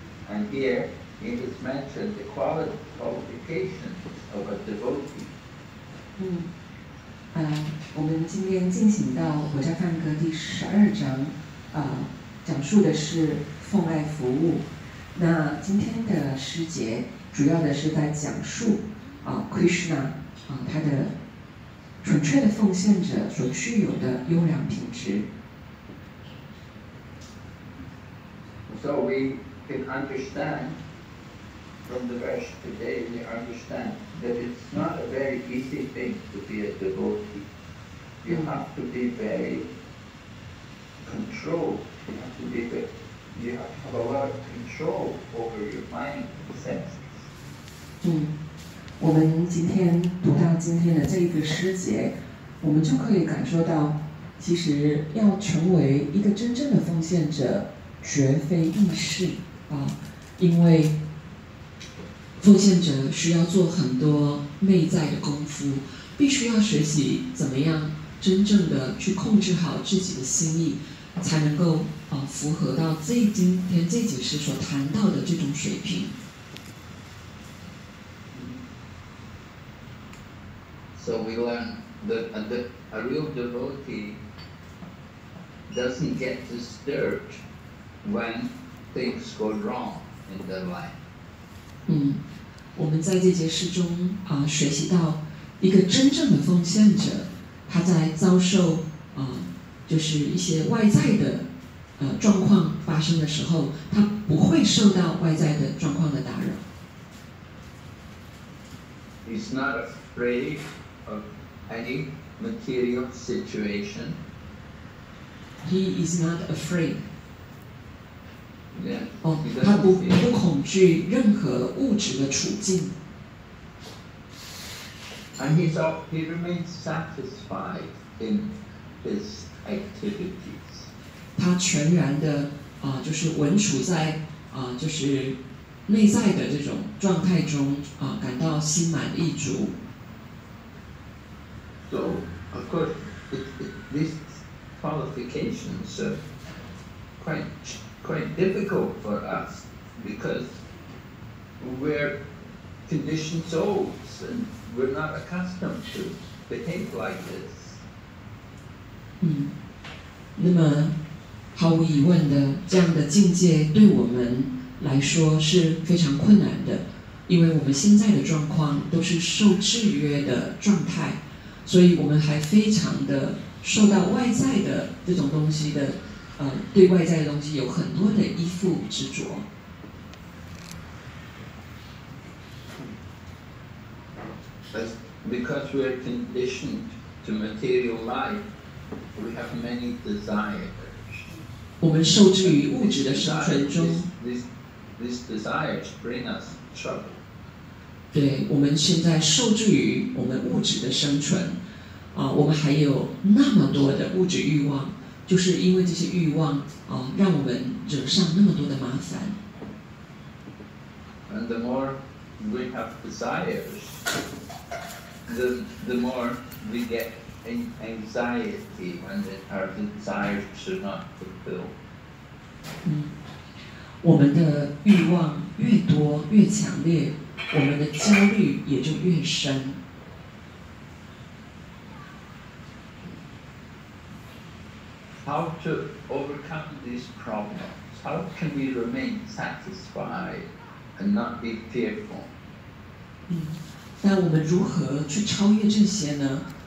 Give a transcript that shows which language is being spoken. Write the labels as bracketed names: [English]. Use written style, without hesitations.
[English] And here, he has mentioned the qualifications of a devotee. Mm. [Chinese] 我们今天进行到《活着梵歌》第十二章，讲述的是奉爱服务。那今天的诗节主要的是在讲述Krishna 他的纯粹的奉献者所具有的优良品质。 [English] So we can understand from the verse today, we understand that it's not a very easy thing to be a devotee. You have to be very controlled. You have to have a lot of control over your mind and senses. [Chinese] 我们今天读到今天的这一个诗节，我们就可以感受到，其实要成为一个真正的奉献者，绝非易事啊，因为奉献者需要做很多内在的功夫，必须要学习怎么样真正的去控制好自己的心意，才能够符合到这今天这几诗所谈到的这种水平。 [English] So we learn that a real devotee doesn't get disturbed when things go wrong in their life. [Chinese] 我们在这节诗中学习到一个真正的奉献者，他在遭受就是一些外在的状况发生的时候，他不会受到外在的状况的打扰。 [English] He's not afraid of any material situation. He is not afraid. Yeah, [Chinese] 他不恐惧任何物质的处境。 [English] And he remains satisfied in his activities. [Chinese] 他全然的就是稳处在就是内在的这种状态中感到心满意足。 [English] So, of course, these qualifications are quite difficult for us because we're conditioned souls and we're not accustomed to behave like this. [Chinese] 那么毫无疑问的，这样的境界对我们来说是非常困难的，因为我们现在的状况都是受制约的状态，所以我们还非常的受到外在的这种东西的，对外在的东西有很多的依附执着。 [English] That's because we are conditioned to material life, we have many desires. [Chinese] 我们受制于物质的生存中。 [English] These desires bring us trouble. [Chinese] 对，我们现在受制于我们物质的生存。我们还有那么多的物质欲望，就是因为这些欲望，让我们惹上那么多的麻烦。 [English] And the more we have desires, the more we get anxiety when our desires are not fulfilled. [Chinese] 我们的欲望越多越强烈，我们的焦虑也就越深。 [English] How to overcome these problems? How can we remain satisfied and not be fearful? [Chinese] 那我们如何去超越这些呢？